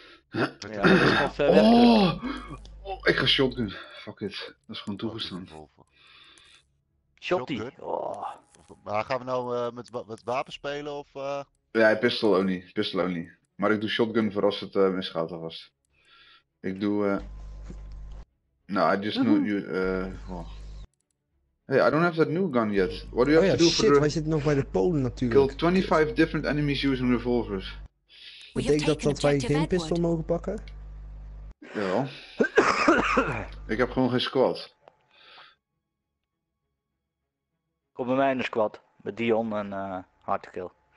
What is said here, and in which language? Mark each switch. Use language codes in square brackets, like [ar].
[nl] Ja, oh, ik ga shotgun. Fuck it. Dat is gewoon toegestaan. Shotty. Oh. Maar gaan we nou met wapens spelen of... Ja, pistol only. Pistol only. Maar ik doe shotgun voor als het misgaat alvast. Ik doe... [en] Hey, I don't have that new gun yet. What do you have to do shit, for the... Oh shit, why is it [nl] nog bij de Polen natuurlijk? [en] Kill 25 different enemies using revolvers. [nl] Betekent dat wij geen pistool mogen pakken? Jawel. Ik heb gewoon geen squad. Kom bij mij in de squad. Met Dion en Hartekill.